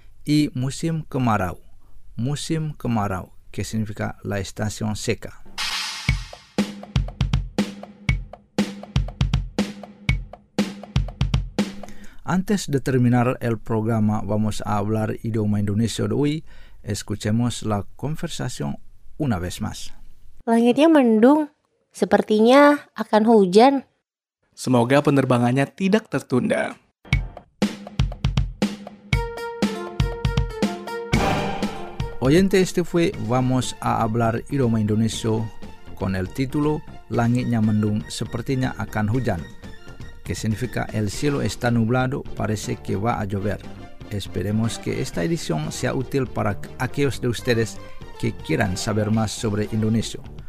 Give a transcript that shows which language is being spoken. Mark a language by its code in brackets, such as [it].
[es] Y musim kemarau. Musim kemarau, que significa la estación seca. Antes de terminar el programa Vamos a hablar idioma indonesio de hoy, escuchemos la conversación una vez más. [id] Langitnya mendung, sepertinya akan hujan. Semoga penerbangannya tidak tertunda. [es] Oyente, este fue Vamos a hablar idioma indonesio con el título [id] Langitnya mendung, sepertinya akan hujan, [es] que significa el cielo está nublado, parece que va a llover. Esperemos que esta edición sea útil para aquellos de ustedes que quieran saber más sobre indonesio.